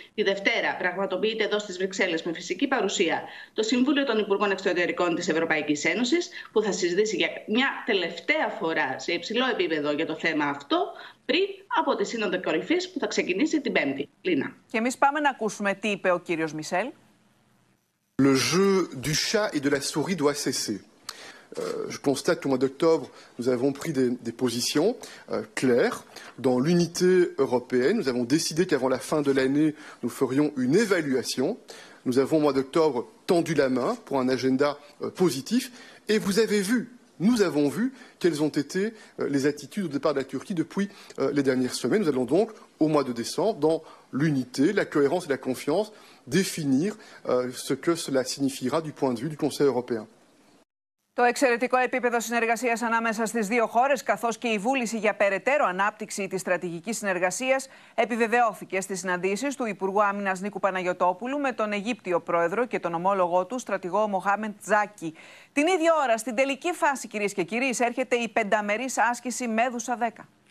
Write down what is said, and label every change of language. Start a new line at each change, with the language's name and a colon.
Greek: Τη Δευτέρα πραγματοποιείται εδώ στις Βρυξέλλες με φυσική παρουσία το Συμβούλιο των Υπουργών Εξωτερικών της Ευρωπαϊκής Ένωσης, που θα συζητήσει για μια τελευταία φορά σε υψηλό επίπεδο για το θέμα αυτό, πριν από τη Σύνοδο Κορυφής που θα ξεκινήσει την Πέμπτη. Λίνα. Και εμείς πάμε να ακούσουμε τι είπε ο κύριος Μισελ.
French: Le jeu du chat et de la souris doit cesser. Je constate qu'au mois d'octobre, nous avons pris des positions claires. Dans l'unité européenne, nous avons décidé qu'avant la fin de l'année, nous ferions une évaluation. Nous avons, au mois d'octobre, tendu la main pour un agenda positif. Et vous avez vu, nous avons vu, quelles ont été les attitudes au départ de la Turquie depuis les dernières semaines. Nous allons donc, au mois de décembre, dans l'unité, la cohérence et la confiance, définir ce que cela signifiera du point de vue du Conseil européen.
Greek: Το εξαιρετικό επίπεδο συνεργασίας ανάμεσα στις δύο χώρες, καθώς και η βούληση για περαιτέρω ανάπτυξη της στρατηγικής συνεργασίας, επιβεβαιώθηκε στις συναντήσεις του Υπουργού Άμυνας Νίκου Παναγιωτόπουλου με τον Αιγύπτιο Πρόεδρο και τον ομόλογό του, στρατηγό Μοχάμεντ Τζάκι. Την ίδια ώρα, στην τελική φάση, κυρίες και κύριοι, έρχεται η πενταμερής άσκηση Μέδουσα 10.